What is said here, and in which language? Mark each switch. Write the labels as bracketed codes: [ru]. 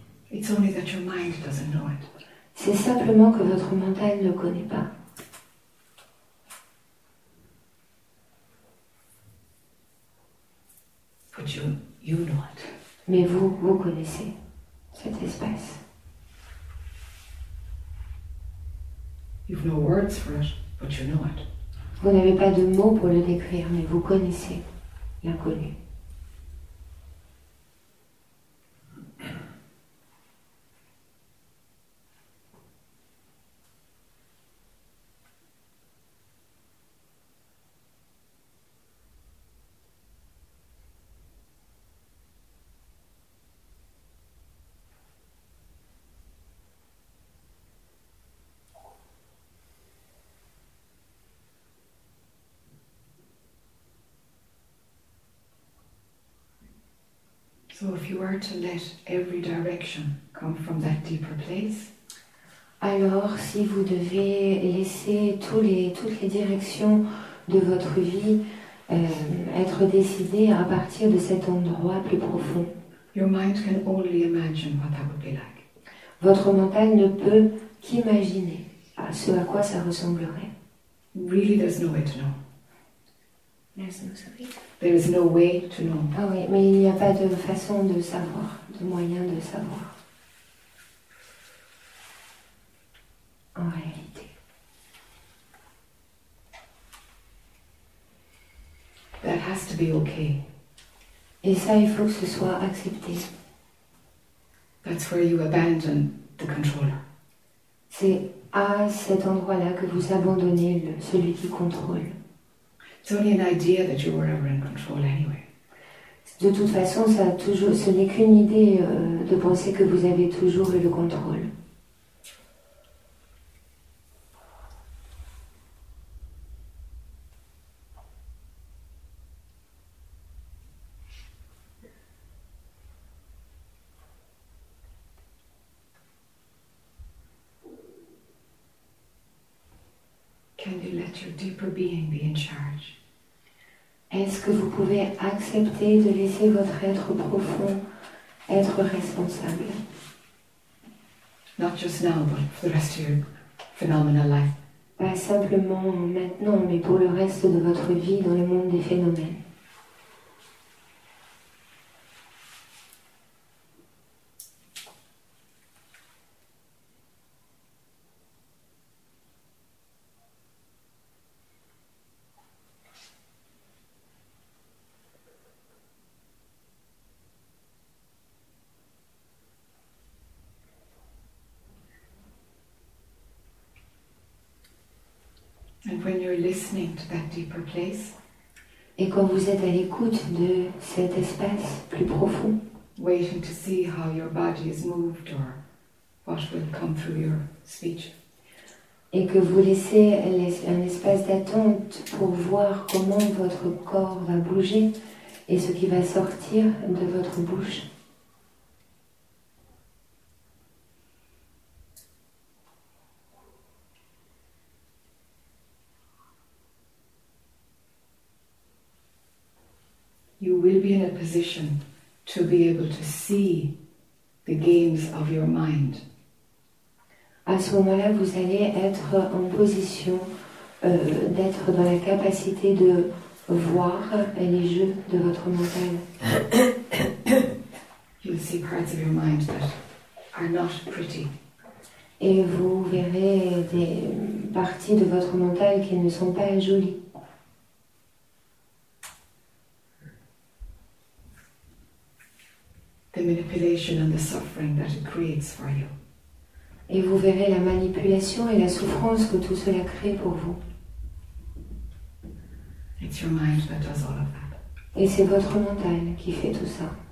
[en] It's only that your mind doesn't know it. [fr] C'est simplement que votre mental ne le connaît pas. [en] But you know it. [fr] Mais vous connaissez cet espace. [en] You've no words for it, but you know it. [fr] Vous n'avez pas de mots pour le décrire, mais vous connaissez l'inconnu. [en] So if you were to let every direction come from that deeper place, [fr] alors si vous devez laisser toutes les directions de votre vie être décidées à partir de cet endroit plus profond, [en] your mind can only imagine what that would be like. [fr] Votre mental ne peut qu'imaginer ce à quoi ça ressemblerait. [en] Really, there's no way to know. No, there is no way to know. [fr] Ah oui, mais il n'y a pas de façon de savoir, de moyen de savoir. En réalité. [en] That has to be okay. [fr] Et ça, il faut que ce soit accepté. [en] That's where you abandon the controller. [fr] C'est à cet endroit-là que vous abandonnez celui qui contrôle. [en] It's only an idea that you were ever in control anyway. [fr] De toute façon, ça a toujours, ce n'est qu'une idée de penser que vous avez toujours eu le contrôle. [en] Can you let your deeper being be in charge? [fr] Est-ce que vous pouvez accepter de laisser votre être profond être responsable? [en] Not just now, but for the rest of your phenomenal life. [fr] Pas simplement maintenant, mais pour le reste de votre vie dans le monde des phénomènes. [en] When you're listening to that deeper place, [fr] et quand vous êtes à l'écoute de cet espace plus profond, [en] waiting to see how your body is moved or what will come through your speech, [fr] et que vous laissez un espace d'attente pour voir comment votre corps va bouger et ce qui va sortir de votre bouche. [en] You will be in a position to be able to see the games of your mind. [fr] À ce moment-là, vous allez être en position d'être dans la capacité de voir les jeux de votre mental. [en] You'll see parts of your mind that are not pretty. [fr] Et vous verrez des parties de votre mental qui ne sont pas jolies. [en] The manipulation and the suffering that it creates for you. [fr] Et vous verrez la manipulation et la souffrance que tout cela crée pour vous. [en] It's your mind that does all of that. [fr] Et c'est votre mental qui fait tout ça.